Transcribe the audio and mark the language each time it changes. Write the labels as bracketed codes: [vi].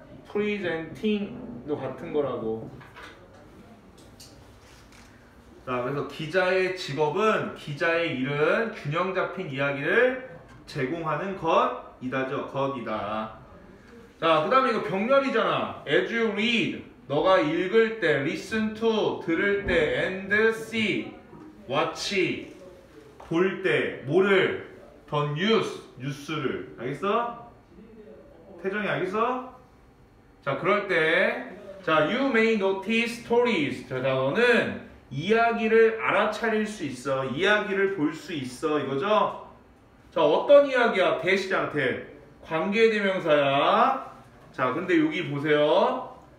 [ko] Presenting도 같은 거라고. 자, 그래서 기자의 직업은, 기자의 일은 균형 잡힌 이야기를 제공하는 것이다죠. 것이다. 자, 그 다음에 이거 병렬이잖아. [en] As you read, [ko] 너가 읽을 때, [en] listen to, [ko] 들을 때, [en] and see, watch, [ko] 볼 때, 뭐를, [en] the news, [ko] 뉴스를. 알겠어? 태정이 알겠어? 자, 그럴 때, 자, [en] you may notice stories. [ko] 자, 너는 이야기를 알아차릴 수 있어. 이야기를 볼 수 있어. 이거죠? 자, 어떤 이야기야? 대시잖아, 대. 관계대명사야. 자, 근데 여기 보세요.